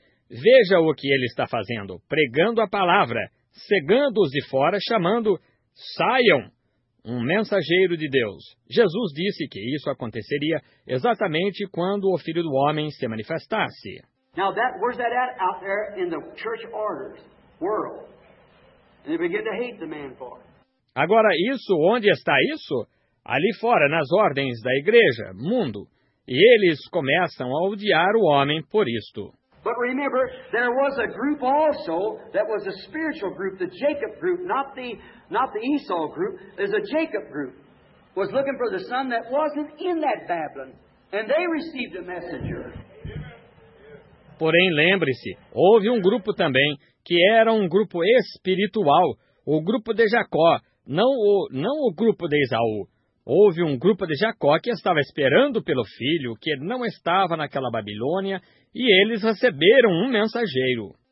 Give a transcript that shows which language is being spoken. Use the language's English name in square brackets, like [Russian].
[Portuguese] Veja o que ele está fazendo, pregando a palavra, cegando os de fora, chamando, saiam, um mensageiro de Deus. Jesus disse que isso aconteceria exatamente quando o Filho do Homem se manifestasse. [English] Now, that, where's that at out there in the church orders, world? And they begin to hate the man for it. [Portuguese] Agora, isso, onde está isso? Ali fora, nas ordens da igreja, mundo. E eles começam a odiar o homem por isto. [English] But remember, there was a group also that was a spiritual group, the Jacob group, not the Esau group. There's a Jacob group was looking for the son that wasn't in that Babylon, and they received a messenger. [Portuguese] Porém, lembre-se, houve um grupo também que era um grupo espiritual, o grupo de Jacó, não o grupo de Esaú. Houve um grupo de Jacó que estava esperando pelo filho, que não estava naquela Babilônia, e eles receberam um mensageiro.